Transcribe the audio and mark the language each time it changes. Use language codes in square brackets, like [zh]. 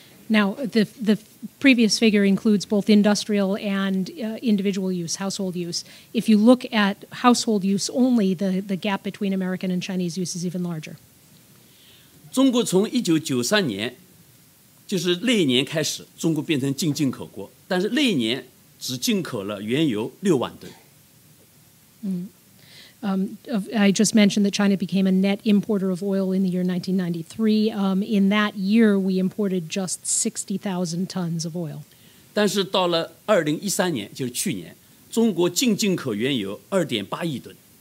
[en] Now, the previous figure includes both industrial and individual use, household use. If you look at household use only, the gap between American and Chinese use is even larger. [zh] 中国从1993年，就是那一年开始，中国变成净进口国，但是那一年只进口了原油6万吨。 [en] I just mentioned that China became a net importer of oil in the year 1993. In that year, we imported just 60,000 tons of oil. [zh] 但是到了2013年，就是去年，中国净进口原油2.8亿吨。